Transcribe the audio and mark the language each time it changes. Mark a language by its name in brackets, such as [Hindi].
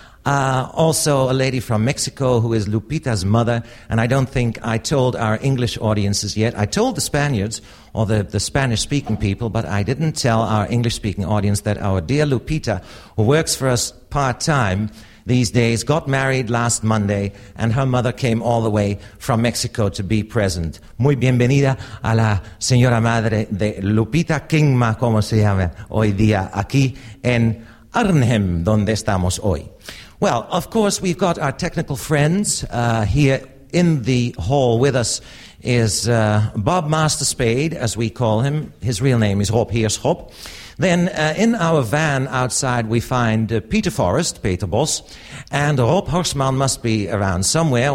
[English] Also a lady from Mexico who is Lupita's mother, and I don't think I told our English audiences yet. I told the Spaniards, or the Spanish-speaking people, but I didn't tell our English-speaking audience that our dear Lupita, who works for us part-time these days, got married last Monday, and her mother came all the way from Mexico to be present. [Spanish] Muy bienvenida a la señora madre de Lupita Kingma, como se llama hoy día, aquí en Arnhem, donde estamos hoy. [English] Well, of course, we've got our technical friends here in the hall with us is Bob Master Spade, as we call him. His real name is Rob Heershop. Then in our van outside, we find Peter Forrest, Peter Bos, and Rob Horsman must be around somewhere.